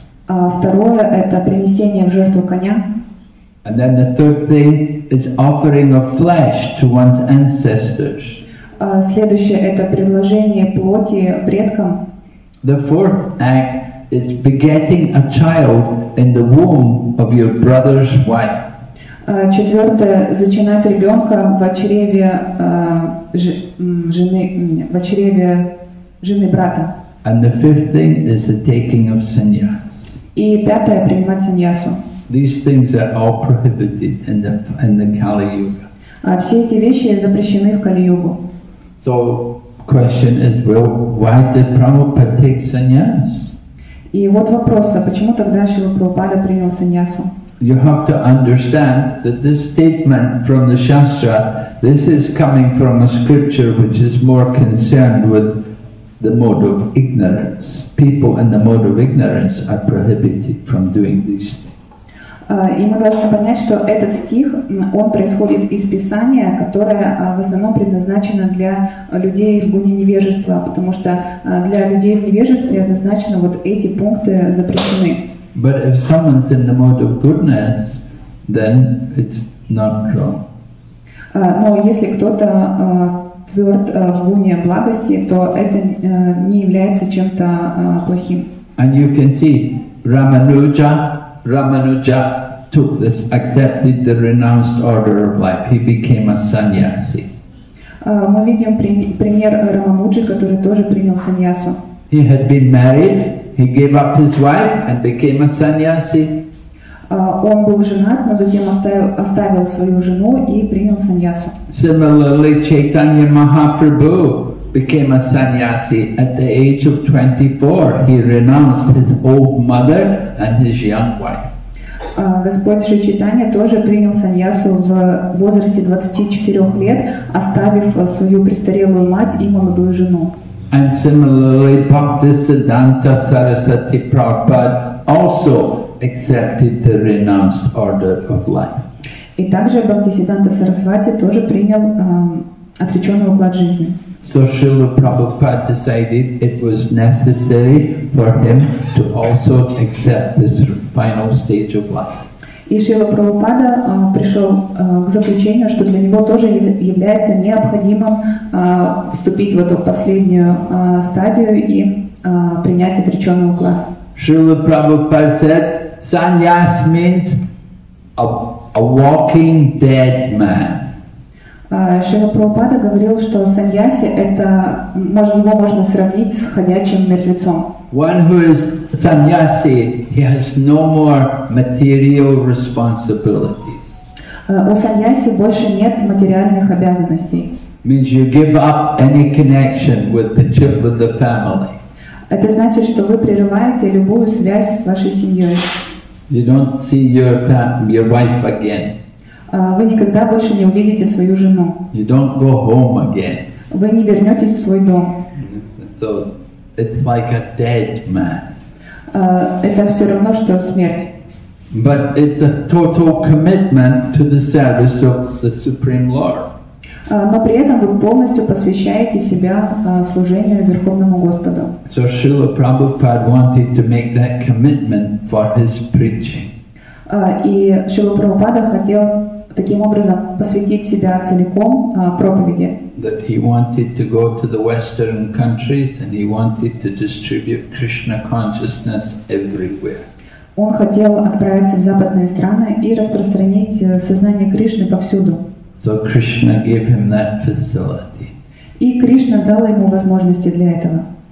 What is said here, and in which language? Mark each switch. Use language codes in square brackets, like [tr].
[ru] Второе – это принесение в жертву коня. [en] And then the third thing is offering of flesh to one's ancestors. [ru] Следующее это предложение плоти предкам. [en] The fourth act is begetting a child in the womb of your brother's wife. [ru] Четвертое зачинать ребенка в чреве жены в чреве жены брата. [en] And the fifth thing is the taking of sannya. [ru] И пятое принимать саньясу. [en] These things are all prohibited in the Kali Yuga. [ru] Все эти вещи запрещены в Кали Югу. [en] So question is, well, why did Prabhupada take sannyas? [ru] И вот вопрос, а почему тогда Шрила Прабхупада принял саньясу? [en] You have to understand that this statement from the Shastra, this is coming from a scripture which is more concerned with the mode of ignorance. People in the mode of ignorance are prohibited from doing these things. [ru] И мы должны понять, что этот стих, он происходит из Писания, которое в основном предназначено для людей в гуне невежества, потому что для людей в невежестве однозначно вот эти пункты запрещены. [en] But if someone's in the mode of goodness, then it's not wrong. [ru] Но если кто-то тверд в гуне благости, то это не является чем-то плохим. [en] And you can see, Рамануджа took this, accepted the renounced order of life. He became a sannyasi. [ru] Мы видим пример Рамануджи, который тоже принял саньясу. [en] He had been married. He gave up his wife and became a sannyasi. [ru] Он был женат, но затем оставил свою жену и принял саньясу. [en] Similarly, Chaitanya Mahaprabhu became a sannyasi at the age of 24. He renounced his old mother and his young wife. [ru] Господь Шри Чайтанья тоже принял саньясу в возрасте 24 лет, оставив свою престарелую мать и молодую жену. [en] And similarly, Bhaktisiddhanta Sarasati Prabhupada also accepted the renounced order of life. [ru] И также Бхактисиддханта Сарасвати тоже принял отреченный уклад жизни. [en] So Srila Prabhupada decided it was necessary for him to also accept this final stage of life. [ru] И Шрила Прабхупада пришел к заключению, что для него тоже является необходимым вступить в эту последнюю стадию и принять отреченный уклад. [en] Шрила Прабхупада said, sannyas means a walking dead man. [ru] Шрила Прабхупада говорил, что саньяси это его можно сравнить с ходячим мертвецом. [en] One who is sannyasi, he has no more material responsibilities. [ru] У саньяси больше нет материальных обязанностей. [en] Means you give up any connection with the family. [ru] Это значит, что вы прерываете любую связь с вашей семьей. [en] You don't see your wife again. [ru] Вы никогда больше не увидите свою жену. [en] You don't go home again. [ru] Вы не вернетесь в свой дом. [en] So it's like a dead man. [ru] Это все равно, что смерть. [en] But it's a total commitment to the service of the Supreme Lord. [ru] Но при этом вы полностью посвящаете себя служению Верховному Господу. [en] So Srila Prabhupada wanted to make that commitment for his preaching. [ru] И Шрила Прабхупада хотел таким образом посвятить себя целиком проповеди. [en] That he wanted to go to the Western countries and he wanted to distribute Krishna consciousness everywhere. [ru] Он хотел отправиться в западные страны и распространить сознание Кришны повсюду. [en] So Krishna gave him that facility. [ru] И Кришна дал ему возможности для этого.